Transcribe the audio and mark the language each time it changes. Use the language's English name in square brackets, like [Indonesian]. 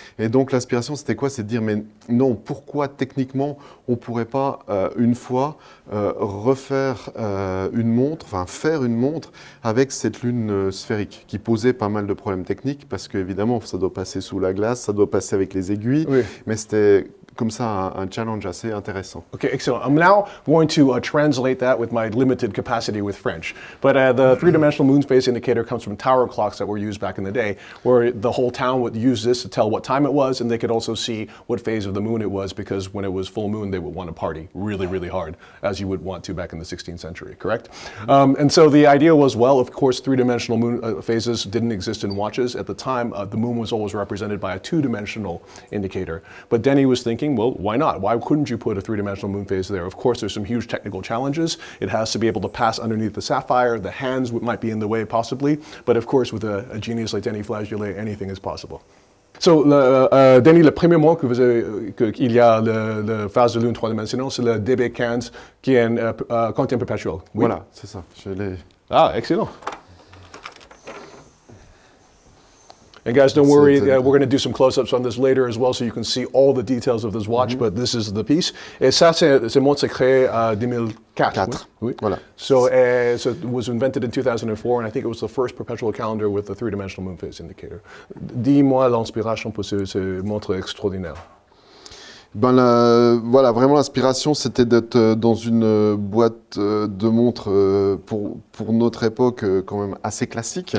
[French] Et donc, l'inspiration, c'était quoi? C'est de dire, mais non, pourquoi techniquement, on ne pourrait pas, une fois, refaire une montre, enfin faire une montre avec cette lune sphérique qui posait pas mal de problèmes techniques parce qu'évidemment ça doit passer sous la glace, ça doit passer avec les aiguilles, oui. Mais c'était comme ça un challenge assez intéressant. Ok, excellent. [English] I'm now going to translate that with my limited capacity with French. But the three-dimensional moon phase indicator comes from tower clocks that were used back in the day, where the whole town would use this to tell what time it was, and they could also see what phase of the moon it was, because when it was full moon, they would want to party really, really hard, as you would want to back in the 16th century, correct? And so the idea was, well, of course, three-dimensional moon phases didn't exist in watches. At the time, the moon was always represented by a two-dimensional indicator. But Denis was thinking, well, why not? Why couldn't you put a three-dimensional moon phase there? Of course, there's some huge technical challenges. It has to be able to pass underneath the sapphire. The hands might be in the way, possibly. But of course, with a genius like Denis Flageolet, anything is possible. [French] So, Denis, le premier mot que vous avez, qu'il y a la phase de lune 3-dimensionnelle, c'est le DB15 qui est un quantum perpetual. Oui? Voilà, c'est ça. Je l'ai... Ah, excellent. [English] And guys, don't worry, we're going to do some close-ups on this later as well, so you can see all the details of this watch, mm-hmm. But this is the piece. [French] Et ça, c'est un montre créé en 2004. Quatre. Oui. Voilà. [English] So it was invented in 2004, and I think it was the first perpetual calendar with a three-dimensional moon phase indicator. [French] Dis-moi l'inspiration pour ce montre extraordinaire. Voilà, vraiment l'inspiration, c'était d'être dans une boîte de montres pour notre époque quand même assez classique.